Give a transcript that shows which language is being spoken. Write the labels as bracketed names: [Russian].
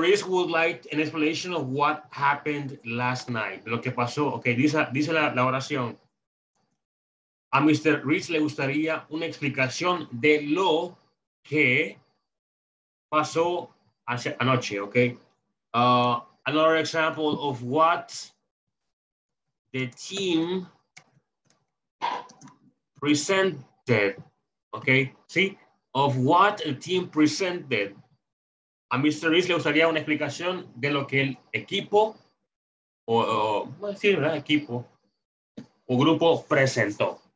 [English] Reese would like an explanation of what happened last night. [Spanish] Lo que pasó, okay, dice la oración. A Mr. Reese le gustaría una explicación de lo que pasó hace anoche, okay? [English] Another example of what the team presented, okay? See? Of what the team presented. A Mr. [Spanish] Reese le gustaría una explicación de lo que el equipo, equipo o grupo presentó.